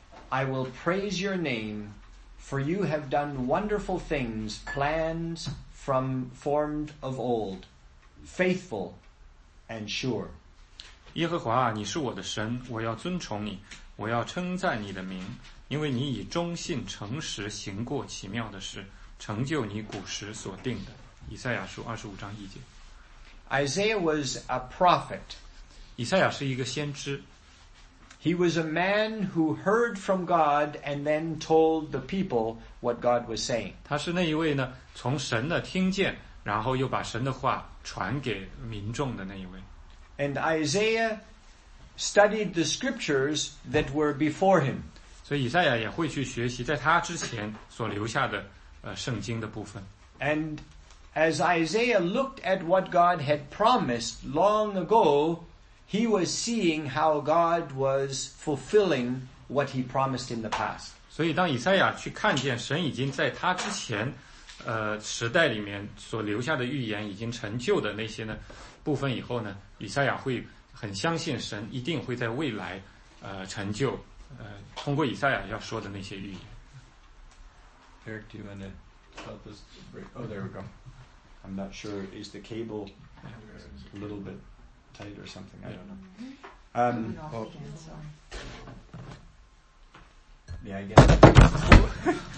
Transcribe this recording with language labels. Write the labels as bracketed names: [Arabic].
[English] I will praise your name, for you have done wonderful things, plans formed of old, faithful and sure. [Chinese] 耶和华，你是我的神，我要尊崇你，我要称赞你的名，因为你以忠信诚实行过奇妙的事，成就你古时所定的。以赛亚书25章1节。 [English] Isaiah was a prophet. [Chinese] 以赛亚是一个先知。 [English] He was a man who heard from God and then told the people what God was saying. [Chinese] 他是那一位呢，从神的听见，然后又把神的话传给民众的那一位。 [English] And Isaiah studied the scriptures that were before him. [Chinese] 所以以赛亚也会去学习在他之前所留下的圣经的部分。 [English] And as Isaiah looked at what God had promised long ago, he was seeing how God was fulfilling what he promised in the past. [Chinese] 所以当以赛亚去看见神已经在他之前时代里面所留下的预言已经成就的那些呢部分以后呢，以赛亚会很相信神一定会在未来成就通过以赛亚要说的那些预言。 [English] Eric, do you want to help us break? Oh, there we go. I'm not sure. Is the cable a little bit tight or something? I don't know. Yeah, I guess.